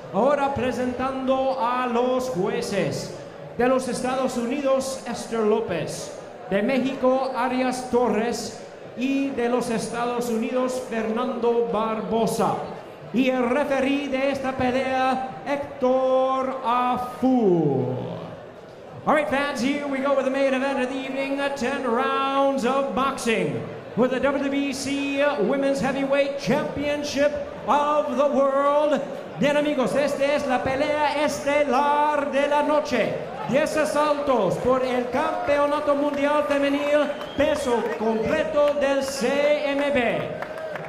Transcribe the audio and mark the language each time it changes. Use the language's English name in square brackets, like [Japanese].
[Spanish] Ahora presentando a los jueces. De los Estados Unidos, Esther López. De México, Arias Torres. Y de los Estados Unidos, Fernando Barbosa. Y el referí de esta pelea, Héctor Afu. [English] All right, fans, here we go with the main event of the evening, 10 rounds of boxing with the WBC Women's Heavyweight Championship of the World. [Spanish] Bien, amigos, esta es la pelea estelar de la noche. 10 asaltos por el Campeonato Mundial Femenil, peso completo del CMB.